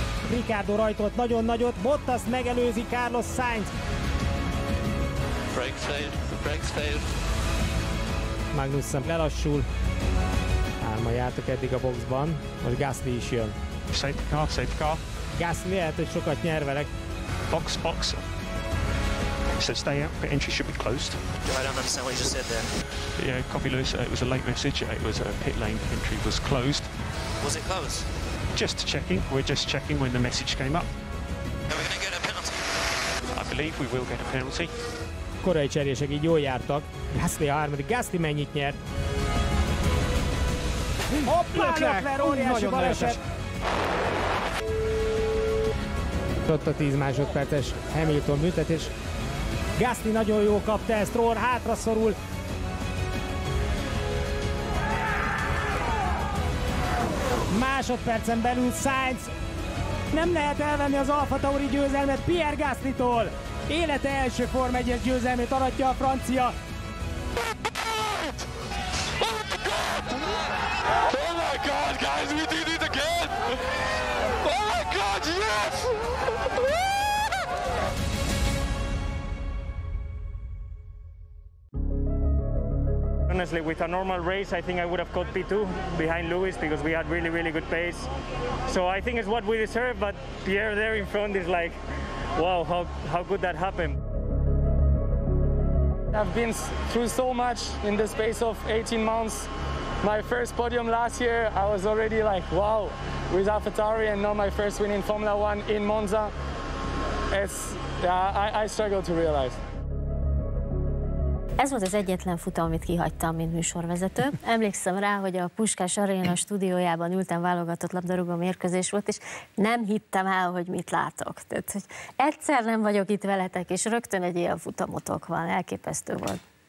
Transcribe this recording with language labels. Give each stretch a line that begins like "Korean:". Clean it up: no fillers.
Hungarian: Ricardo rajtolt nagyon-nagyot, Bottas megelőzi Carlos Sainz.
English: Brakes failed.
Hungarian: Magnussen lelassul. Hárman jártak eddig a boxban, most Gasly is jön.
English: Safety car.
Hungarian: Gasly lehet, hogy sokat nyer velek.
English: Box. So stay out, but entry should be closed. I don't understand what you just said there. Yeah, copy Lewis, it was a late message. It was a pit lane, entry was closed. Was it closed? We're just checking when the message came up. Are we going to get a penalty? I believe we will get a penalty.
Hungarian: Korai cserések így jól jártak. Gasly a harmadik. Gasly mennyit nyert? Hoppá, Leclerc, óriási baleset! Ott a 10 másodperces Hamilton büntetés. Gasly nagyon jól kapta ezt, Stroll hátra szorul. Másodpercen belül Sainz nem lehet elvenni az Alfa Tauri győzelmet Pierre Gaslytól. Élete első Form 1-es győzelmét aratja a francia.
English: Oh my god, guys, we did it again! Oh my god, yes! Honestly, with a normal race, I think I would have caught P2 behind Lewis because we had really, really good pace. So I think it's what we deserve, but Pierre there in front is like, wow, how could that happen? I've been through so much in the space of 18 months. My first podium last year, I was already like, wow, with AlphaTauri, and now my first win in Formula One in Monza. It's, I struggle to realize.
Hungarian: Ez volt az egyetlen futam, amit kihagytam, mint műsorvezető. Emlékszem rá, hogy a Puskás Aréna stúdiójában ültem, válogatott labdarúgó mérkőzés volt, és nem hittem el, hogy mit látok. Tehát, hogy egyszer nem vagyok itt veletek, és rögtön egy ilyen futamotok van. Elképesztő volt.